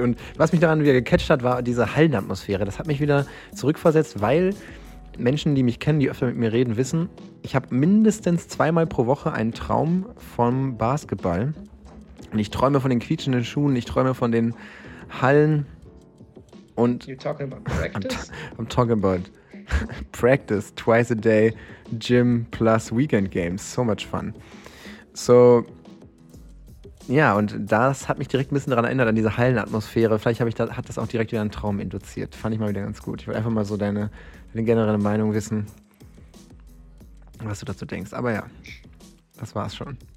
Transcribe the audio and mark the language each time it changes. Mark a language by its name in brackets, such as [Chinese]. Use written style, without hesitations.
[German] Und was mich daran wieder gecatcht hat, war diese Hallenatmosphäre. Das hat mich wieder zurückversetzt, weil Menschen, die mich kennen, die öfter mit mir reden, wissen, ich habe mindestens zweimal pro Woche einen Traum vom Basketball. Und ich träume von den quietschenden Schuhen, ich träume von den Hallen und [English] you're talking about practice? I'm talking about practice twice a day, gym plus weekend games. So much fun. [German] So, ja, und das hat mich direkt ein bisschen daran erinnert, an diese Hallenatmosphäre. Vielleicht hat das auch direkt wieder einen Traum induziert. Fand ich mal wieder ganz gut. Ich wollte einfach mal so deine generelle Meinung wissen, was du dazu denkst. Aber ja, das war's schon.